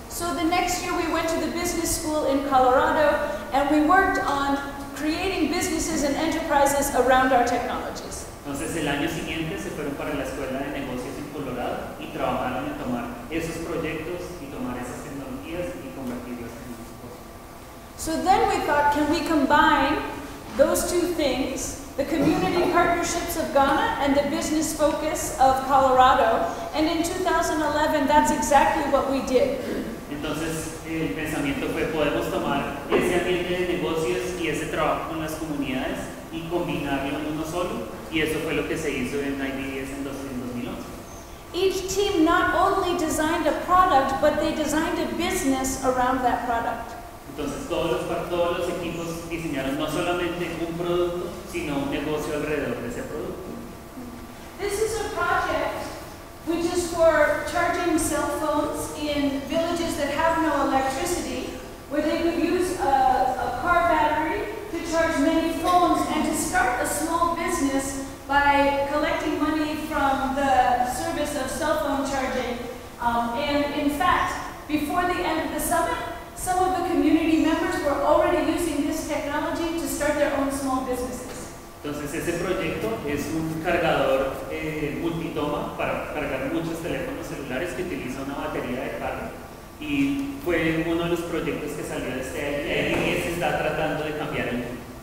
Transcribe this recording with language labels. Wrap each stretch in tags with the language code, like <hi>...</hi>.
<en>So the next year we went to the business school in Colorado and we worked on creating businesses and enterprises around our technologies.</en> <es>Entonces el año siguiente se fueron para la escuela de negocios en Colorado y trabajaron en tomar esos proyectos y tomar esas tecnologías y convertirlos en negocios.</es> <en>So then we thought, can we combine those two things, the community partnerships of Ghana and the business focus of Colorado? And in 2011, that's exactly what we did.</en> <es>Entonces, el pensamiento fue, podemos tomar ese ambiente de negocios y ese trabajo con las comunidades y combinarlo en uno solo, y eso fue lo que se hizo en IDDS en 2011.</es> <en>Each team not only designed a product, but they designed a business around that product.</en> <es>Entonces, todos los equipos diseñaron no solamente un producto, sino un negocio alrededor de ese producto.</es> <en>This is a project which is for charging cell phones in villages that have no electricity, where they could use a car battery to charge many phones and to start a small business by collecting money from the service of cell phone charging. And in fact, before the end of the summit, some of the community members were already using this technology to start their own small businesses.</en> <es>Entonces, ese proyecto es un cargador multitoma para cargar muchos teléfonos celulares que utiliza una batería de carga. Y fue uno de los proyectos que salió de este año y se está tratando de cambiar el mundo.</es>